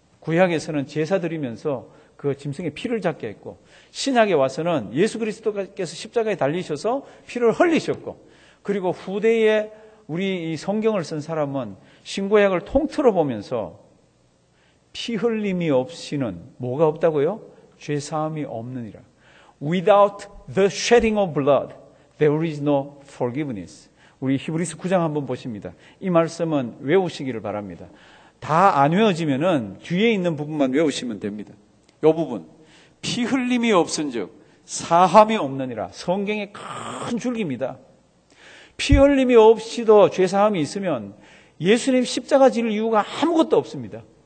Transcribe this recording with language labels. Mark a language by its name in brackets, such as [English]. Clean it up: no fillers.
[Korean] 구약에서는 제사 드리면서 그 짐승의 피를 잡게 했고 신약에 와서는 예수 그리스도께서 십자가에 달리셔서 피를 흘리셨고 그리고 후대에 우리 이 성경을 쓴 사람은 신구약을 통틀어 보면서 피 흘림이 없이는 뭐가 없다고요? 죄사함이 없느니라. [English] Without the shedding of blood, there is no forgiveness. [Korean] 우리 히브리서 9장 한번 보십니다. 이 말씀은 외우시기를 바랍니다. 다 안 외워지면은 뒤에 있는 부분만 외우시면 됩니다. 요 부분. 피 흘림이 없은 즉 사함이 없느니라. 성경의 큰 줄기입니다. 피 흘림이 없이도 죄사함이 있으면 예수님 십자가 지를 이유가 아무것도 없습니다.